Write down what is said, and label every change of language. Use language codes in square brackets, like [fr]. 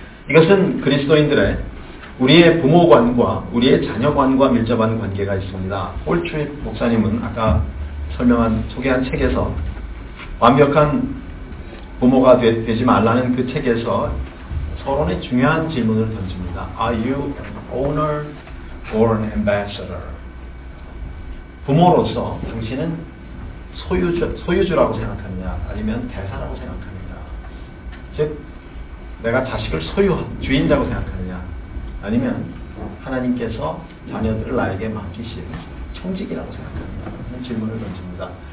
[ko] 이것은 그리스도인들의 우리의 부모관과 우리의 자녀관과 밀접한 관계가 있습니다. 홀트립 목사님은 아까 소개한 책에서 완벽한 부모가 되지 말라는 그 책에서 서론의 중요한 질문을 던집니다. [en] Are you an owner or an ambassador? [ko] 부모로서 당신은 소유주라고 생각하느냐 아니면 대사라고 생각하느냐, 즉 내가 자식을 소유한 주인자라고 생각하느냐 아니면 하나님께서 자녀들을 나에게 맡기신 청직이라고 생각하는 질문을 던집니다.